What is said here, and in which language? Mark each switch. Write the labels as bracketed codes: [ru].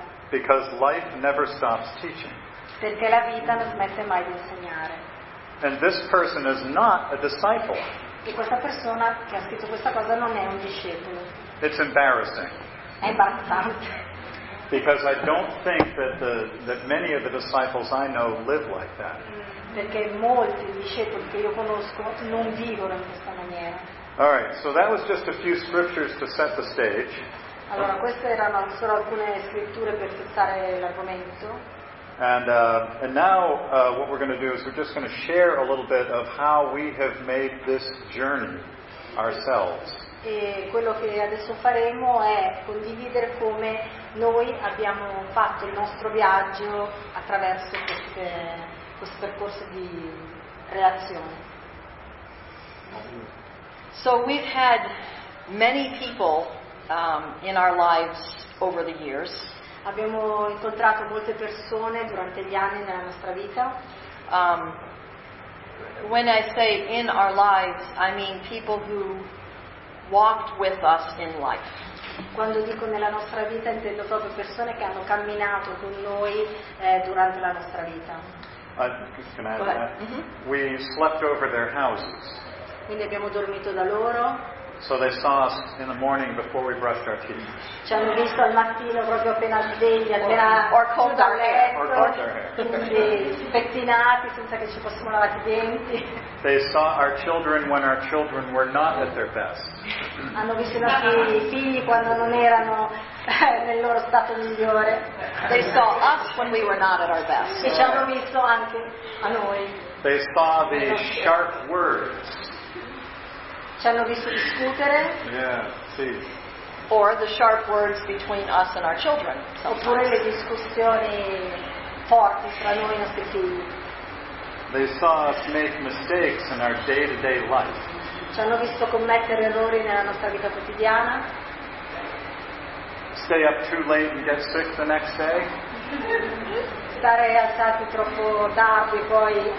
[en] Because life never stops teaching. [it] Perché la vita non smette mai di insegnare. [en] And this person is not a disciple. [it] E questa persona che ha scritto questa cosa non è un discepolo. [en] It's embarrassing. [it] È imbarazzante. [en] Because I don't think that that many of the disciples I know live like that. [it] Perché molti discepoli che io conosco non vivono in questa maniera. [en] All right, so that was just a few scriptures to set the stage. [it] Allora, queste erano solo alcune scritture per fissare l'argomento. [en] And now what we're going to do is we're just going to share a little bit of how we have made this journey ourselves. [it] E quello che adesso faremo è condividere come noi abbiamo fatto il nostro viaggio attraverso questo percorso di relazione. [en] So we've had many people in our lives over the years. [it] Abbiamo incontrato molte persone durante gli anni nella nostra vita. [en] When I say in our lives, I mean people who walked with us in life. [it] Quando dico nella nostra vita intendo proprio persone che hanno camminato con noi durante la nostra vita. [en] We slept over their houses. [it] Quindi abbiamo dormito da loro. [en] So they saw us in the morning before we brushed our teeth. [it] Ci hanno visto al mattino proprio appena svegli, appena [en] cold [it] dal letto, quindi pettinati senza che ci fossimo lavati i denti. [en] They saw our children when our children were not at their best. [it] Hanno visto i nostri figli quando non erano nel loro stato migliore. [en] They saw us when we were not at our best. [it] E ci hanno visto anche a noi. [en] They saw the sharp words. [it] Ci hanno visto discutere. [en] Yeah, or the sharp words between us and our children. [it] Oppure le discussioni forti tra noi e i nostri figli. [en] They saw us make mistakes in our day-to-day life. [it] Ci hanno visto commettere errori nella nostra vita quotidiana. [en] Stay up too late and get sick the next day. [it] Stare alzati troppo tardi e poi